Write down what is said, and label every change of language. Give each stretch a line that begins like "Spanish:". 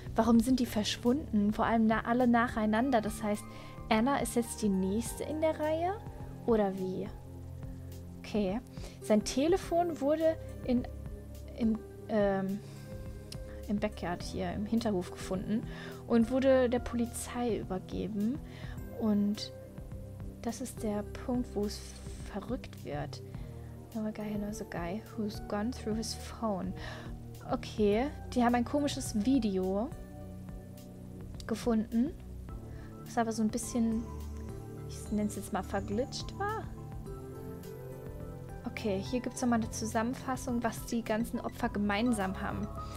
German: Warum sind die verschwunden? Vor allem alle nacheinander. Das heißt, Anna ist jetzt die Nächste in der Reihe? Oder wie? Okay. Sein Telefon wurde im Backyard hier, im Hinterhof gefunden und wurde der Polizei übergeben. Und das ist der Punkt, wo es verrückt wird.
English: Another guy knows a guy who's gone through his phone.
German: Okay, die haben ein komisches Video gefunden, was aber so ein bisschen, ich nenne es jetzt mal, verglitscht war. Okay, hier gibt es nochmal eine Zusammenfassung, was die ganzen Opfer gemeinsam haben.